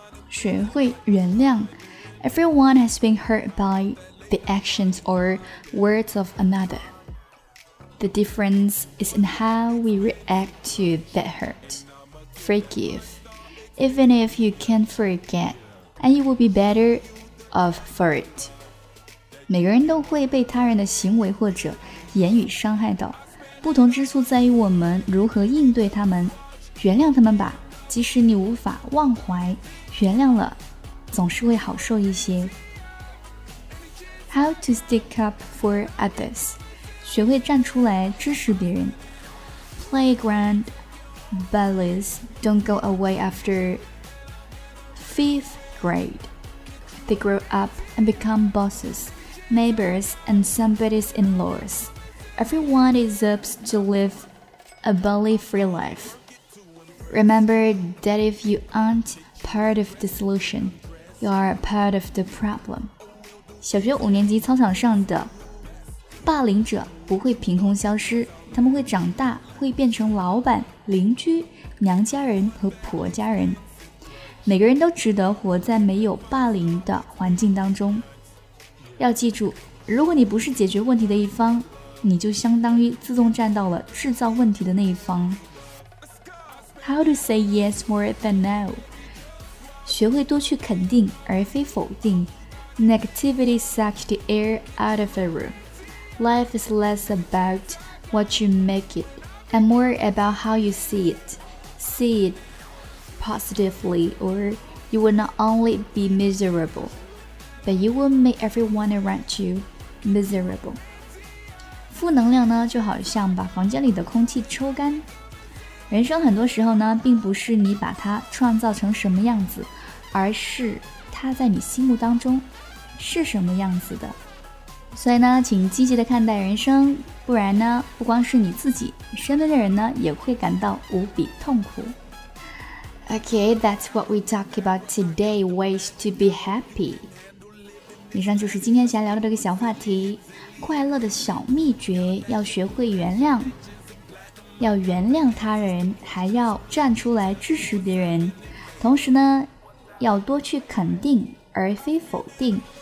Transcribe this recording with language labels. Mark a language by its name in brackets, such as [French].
[Chinese] 学会原谅 [English] Everyone has been hurt by the actions or words of another. The difference is in how we react to that hurt. Forgive. Even if you can't forget, and you will be better off for it. [Chinese] 每个人都会被他人的行为或者言语伤害到，不同之处在于我们如何应对他们。原谅他们吧，即使你无法忘怀，原谅了，总是会好受一些。 [English] How to stick up for others， [Chinese] 学会站出来支持别人。 [English] Playground bullies don't go away after fifth grade. They grow up and become bosses. Neighbors and somebody's in-laws. Everyone deserves to live a bully-free life. Remember that if you aren't part of the solution, you are part of the problem. [Chinese] 小学五年级操场上的霸凌者不会凭空消失，他们会长大，会变成老板、邻居、娘家人和婆家人。每个人都值得活在没有霸凌的环境当中。要记住，如果你不是解决问题的一方，你就相当于自动站到了制造问题的那一方。 [English] How to say yes more than no? [Chinese] 学会多去肯定而非否定。 [English] Negativity sucks the air out of a room. Life is less about what you make it, and more about how you see it. See it positively, or you will not only be miserable. But you will make everyone around you miserable. [Chinese] 负能量呢，就好像把房间里的空气抽干。人生很多时候呢，并不是你把它创造成什么样子，而是它在你心目当中是什么样子的。所以呢，请积极地看待人生，不然呢，不光是你自己，身边的人呢，也会感到无比痛苦。 [English] Okay, that's what we talk about today, ways to be happy. [Chinese] 以上就是今天想聊的这个小话题，快乐的小秘诀，要学会原谅，要原谅他人，还要站出来支持别人，同时呢，要多去肯定而非否定。